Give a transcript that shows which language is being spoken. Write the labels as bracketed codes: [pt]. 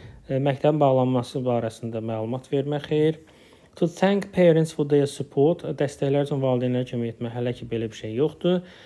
[az] Məktəbin bağlanması barəsində məlumat vermək, xeyr. [en] To thank parents for their support. [az] Dəstəklər üçün valideynlərə kömək etmək hələ ki belə bir şey yoxdur.